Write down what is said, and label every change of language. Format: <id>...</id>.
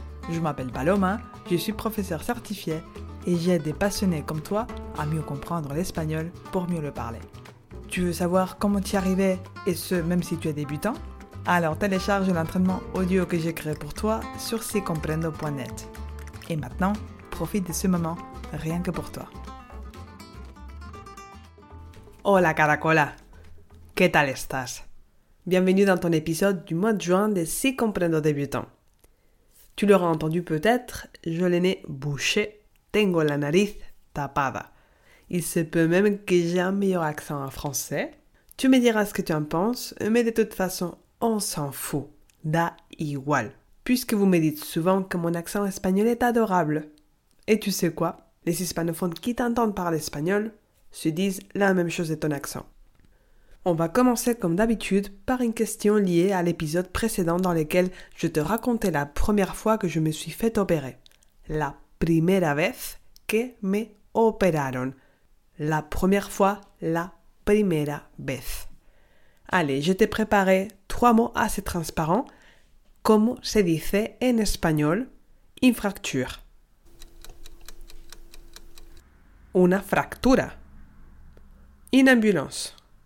<fr>Je m'appelle Paloma, je suis professeur certifié et j'aide des passionnés comme toi à mieux comprendre l'espagnol pour mieux le parler. Tu veux savoir comment t'y arriver et ce même si tu es débutant? Alors télécharge l'entraînement audio que j'ai créé pour toi sur sicomprendo.net. Et maintenant, profite de ce moment rien que pour toi.</fr> <es>Hola Caracola, ¿qué tal estás?</es> <fr>Bienvenue dans ton épisode du mois de juin des Si comprendo débutants. Tu l'auras entendu peut-être, je l'ai nez bouché,</fr> <es>tengo la nariz tapada.</es> <fr>Il se peut même que j'ai un meilleur accent en français. Tu me diras ce que tu en penses, mais de toute façon, on s'en fout.</fr> <es>Da igual.</es> <fr>Puisque vous me dites souvent que mon accent espagnol est adorable. Et tu sais quoi? Les hispanophones qui t'entendent parler espagnol se disent la même chose de ton accent. On va commencer comme d'habitude par une question liée à l'épisode précédent dans lequel je te racontais la première fois que je me suis fait opérer.</fr> <es>La primera vez que me operaron.</es> <fr>La première fois,</fr> <es>la primera vez.</es> <fr>Allez, je t'ai préparé trois mots assez transparents.</fr> <es>¿Cómo se dice en español?</es> <fr>Une fracture.</fr> <es>Una fractura.</es> <fr>Une ambulance.</fr>